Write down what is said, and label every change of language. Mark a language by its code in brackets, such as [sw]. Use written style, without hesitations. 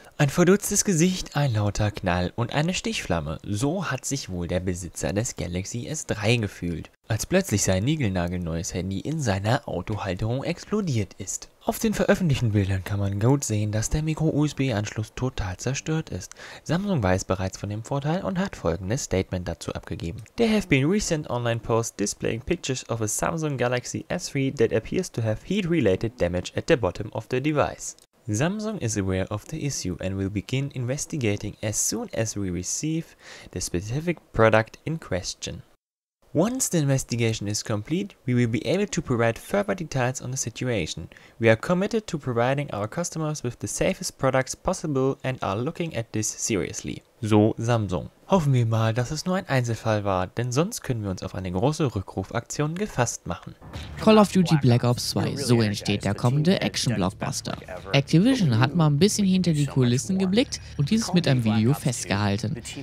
[de] Ein verdutztes Gesicht, ein lauter Knall und eine Stichflamme – so hat sich wohl der Besitzer des Galaxy S3 gefühlt, als plötzlich sein niegelnagelneues Handy in seiner Autohalterung explodiert ist. Auf den veröffentlichten Bildern kann man gut sehen, dass der Micro-USB-Anschluss total zerstört ist. Samsung weiß bereits von dem Vorteil und hat folgendes Statement dazu abgegeben. [en] There have been recent online posts displaying pictures of a Samsung Galaxy S3 that appears to have heat-related damage at the bottom of the device. Samsung is aware of the issue and will begin investigating as soon as we receive the specific product in question. Once the investigation is complete, we will be able to provide further details on the situation. We are committed to providing our customers with the safest products possible and are looking at this seriously. [de] So Samsung. Hoffen wir mal, dass es nur ein Einzelfall war, denn sonst können wir uns auf eine große Rückrufaktion gefasst machen. Call of Duty Black Ops 2, so entsteht der kommende Action-Blockbuster. Activision hat mal ein bisschen hinter die Kulissen geblickt und dieses mit einem Video festgehalten.